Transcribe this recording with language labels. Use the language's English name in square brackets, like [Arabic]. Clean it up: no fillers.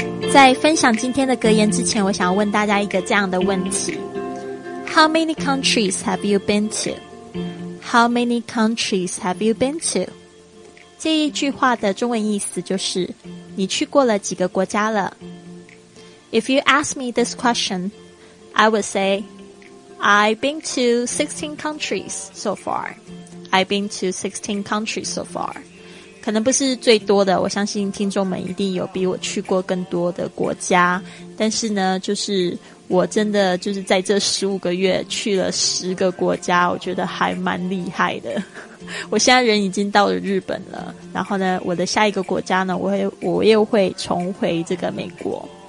[Chinese] 在分享今天的格言之前，我想要问大家一个这样的问题 How many countries have you been to? [English] How many countries have you been to? [Chinese] 这一句话的中文意思就是你去过了几个国家了。 [English] If you ask me this question, I would say I've been to 16 countries so far. I've been to 16 countries so far. [Chinese] 可能不是最多的，我相信听众们一定有比我去过更多的国家，但是呢，就是我真的就是在这15个月去了10个国家，我觉得还蛮厉害的。我现在人已经到了日本了，然后呢，我的下一个国家呢，我又会重回这个美国。